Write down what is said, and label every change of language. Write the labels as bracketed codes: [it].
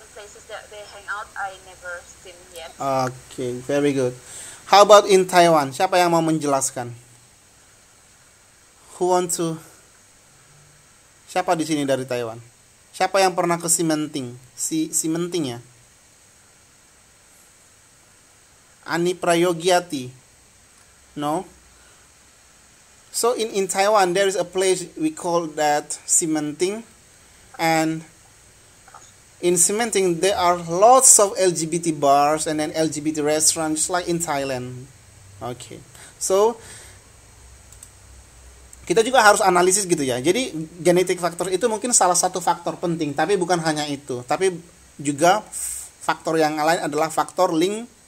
[en] There are, but like certain places that they hang out, I never seen yet. Okay, very good. How about in Taiwan? [id] Siapa yang mau menjelaskan? [en] Who want to? [id] Siapa di sini dari Taiwan? Siapa yang pernah ke Simenting? Simenting ya? Ani Prayogyati? No? [en] So in Taiwan, there is a place we call that Simenting. And in Simenting, there are lots of LGBT bars and then LGBT restaurants, just like in Thailand. Okay. [id] So, kita juga harus analisis gitu ya. Jadi, genetic factor itu mungkin salah satu faktor penting, tapi bukan hanya itu. Tapi juga faktor yang lain adalah faktor link.